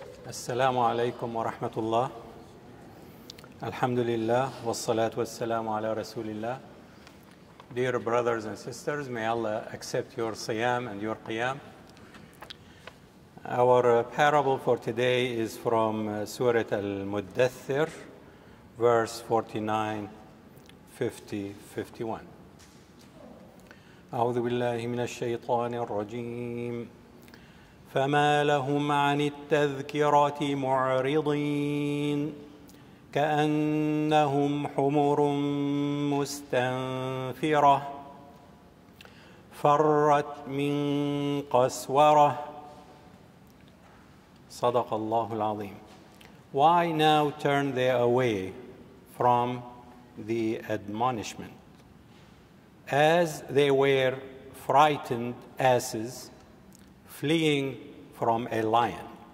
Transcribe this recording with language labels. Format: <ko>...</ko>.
<ar>السلام عليكم ورحمة الله الحمد لله والصلاة والسلام على رسول الله.</ar> <en>Dear brothers and sisters, may Allah accept your siyam and your qiyam. Our parable for today is from Surah Al-Muddathir, verse 49-50-51.</en> <ar>أعوذ بالله من الشيطان الرجيم فما لهم عن التذكرة معرضين كأنهم حمر مستنفرة فرت من قسورة صدق الله العظيم.</ar> <en>Why now turn they away from the admonishment as they were frightened asses fleeing from a lion?</en>